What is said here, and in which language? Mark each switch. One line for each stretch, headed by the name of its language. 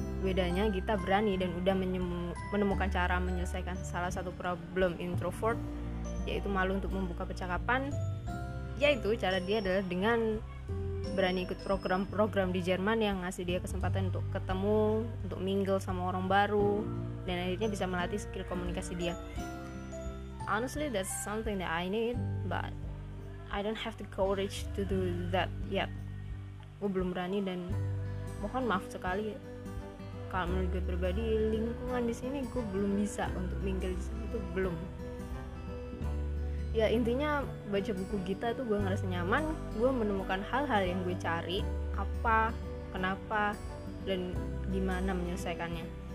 Indonesian: Bedanya Gita berani dan udah menemukan cara menyelesaikan salah satu problem introvert, yaitu malu untuk membuka percakapan. Yaitu cara dia adalah dengan berani ikut program-program di Jerman yang ngasih dia kesempatan untuk ketemu, untuk mingle sama orang baru, dan akhirnya bisa melatih skill komunikasi dia.
English: Honestly, that's something that I need, but I don't have the courage to do that yet.
Indonesian: Gue belum berani dan mohon maaf sekali. Kalau menurut gue pribadi, lingkungan di sini gue belum bisa untuk mingle di sini tuh belum. Ya intinya baca buku Gita tuh gue ngerasa nyaman. Gue menemukan hal-hal yang gue cari, apa, kenapa, dan gimana menyelesaikannya.